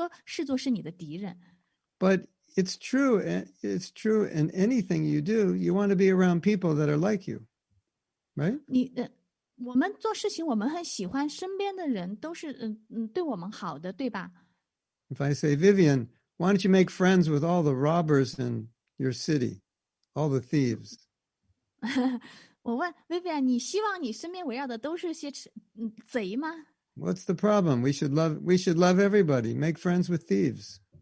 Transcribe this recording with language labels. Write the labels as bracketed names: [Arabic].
[Chinese] 因为你会想到这个，你去的过马路的话，这个车会撞到你，所以你会躲避这个车，你会退到一边，但是你并不会把这个车视作是你的敌人。 [English] But it's true in anything you do, you want to be around people that are like you, right? [Chinese] 我们做事情，我们很喜欢身边的人都是对我们好的，对吧？ [English] If I say, Vivian, why don't you make friends with all the robbers in your city, all the thieves? [Chinese] 我问 Vivian, 你希望你身边围绕的都是些贼吗？ [English] What's the problem? We should love everybody. Make friends with thieves.